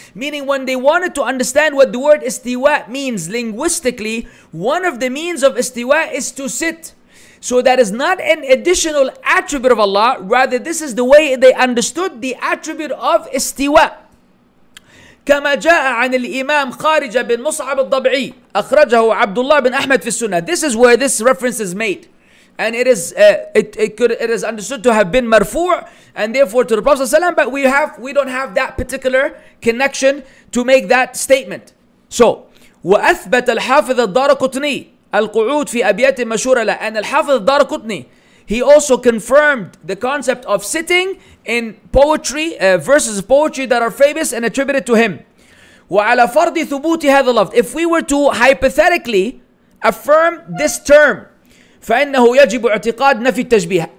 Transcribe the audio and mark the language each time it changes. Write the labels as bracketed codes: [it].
[en] Meaning when they wanted to understand what the word استواء means linguistically, one of the means of استواء is to sit. So that is not an additional attribute of Allah, rather this is the way they understood the attribute of استواء. [ar] كما جاء عن الإمام خارجة بن مصعب الضبعي أخرجه عبد الله بن أحمد في السنة. [en] This is where this reference is made, and it is it is understood to have been مرفوع and therefore to the Prophet صلى الله عليه وسلم. But we don't have that particular connection to make that statement. [ar] So وأثبت الحافظ الدارقطني القعود في أبيات مشهورة له. [en] And الحافظ الدارقطني he also confirmed the concept of sitting in poetry, verses of poetry that are famous and attributed to him. [ar] وعلى فرض ثبوت هذا اللفظ. [en] If we were to hypothetically affirm this term, [ar] فإنه يجب اعتقاد نفي التشبيه.